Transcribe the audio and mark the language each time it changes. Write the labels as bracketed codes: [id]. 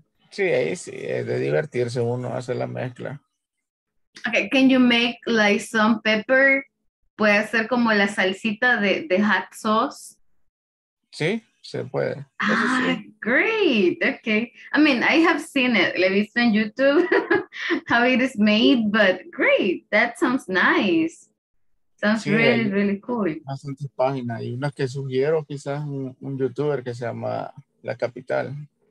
[es] Sí, ahí sí, es de divertirse uno, hacer la mezcla. [en] Okay, can you make like some pepper? [es] ¿Puede hacer como la salsita de [en] hot sauce? [es] Sí, se puede. [en] Great, okay. I mean, I have seen it, [es] le he visto en YouTube, [en] how it is made, but great, that sounds nice. Sounds [es] sí, [en] really cool. [es] Hay bastantes páginas y una que sugiero quizás un youtuber que se llama La Capital.